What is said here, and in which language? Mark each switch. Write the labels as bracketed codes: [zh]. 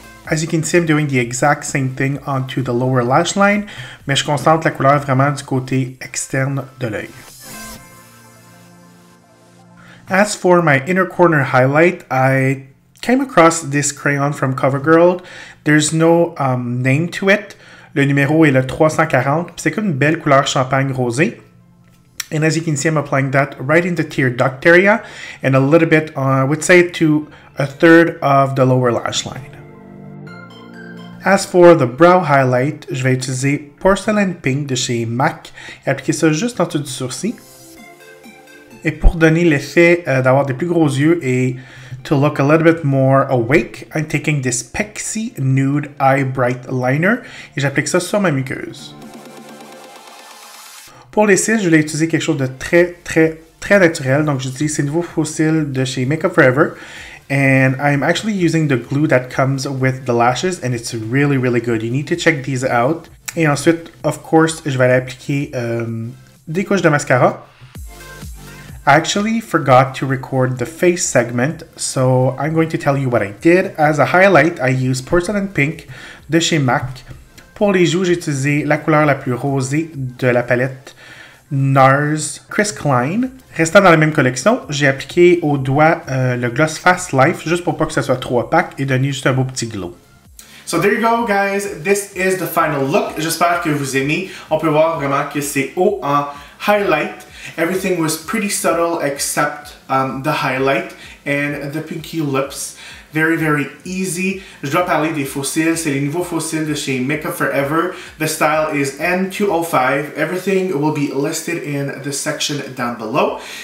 [en] As you can see, I'm doing the exact same thing onto the lower lash line, [fr] mais je concentre la couleur vraiment du côté externe de l'œil. [en] As for my inner corner highlight, I came across this crayon from CoverGirl. There's no name to it. [fr] Le numéro est le 340, puis c'est comme une belle couleur champagne rosée. [en] And as you can see, I'm applying that right in the tear duct area, and a little bit, I would say, to a third of the lower lash line. As for the brow highlight, [fr] je vais utiliser Porcelain Pink de chez MAC et appliquer ça juste en dessous du sourcil. Et pour donner l'effet d'avoir des plus gros yeux et [en] to look a little bit more awake, I'm taking this Pixi Nude Eyebright Liner [fr] et j'applique ça sur ma muqueuse. Pour les cils, je vais utiliser quelque chose de très, très, très naturel. Donc j'utilise ces nouveaux faux cils de chez Makeup Forever. [en] And I'm actually using the glue that comes with the lashes, and it's really, really good. You need to check these out. [fr] Et ensuite, [en] of course, [fr] je vais appliquer des couches de mascara. [en] I actually forgot to record the face segment, so I'm going to tell you what I did. As a highlight, I use Porcelain Pink de chez MAC. [fr] Pour les joues, j'ai utilisé la couleur la plus rosée de la palette NARS Chris Klein. Restant dans la même collection, j'ai appliqué au doigt le Gloss Fast Life juste pour pas que ça soit trop opaque et donner juste un beau petit glow. [en] So there you go guys, this is the final look. [fr] J'espère que vous aimez. On peut voir vraiment que c'est haut en highlight. [en] Everything was pretty subtle except the highlight and the pinky lips. Very, very easy. [fr] Je dois parler des faux cils. C'est les nouveaux faux cils de chez Makeup Forever. [en] The style is N205. Everything will be listed in the section down below.